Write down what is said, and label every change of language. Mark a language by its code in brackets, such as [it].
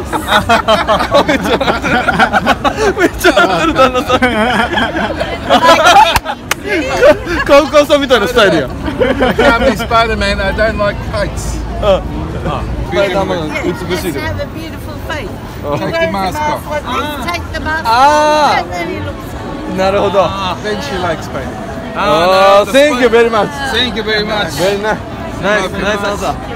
[ja] めっちゃ笑ってるめっちゃ笑ってる旦那さんカウカウさんみたいなスタイルや。 [en] I can't be Spider-Man, I don't like kites. [ja] スパイダーマン美しいです [en] 。 Take the mask off. Take the mask off. [ja] なるほど。 [en] Then she likes Spider-Man. Thank you very much. Thank you very much. Very nice. Nice, nice answer.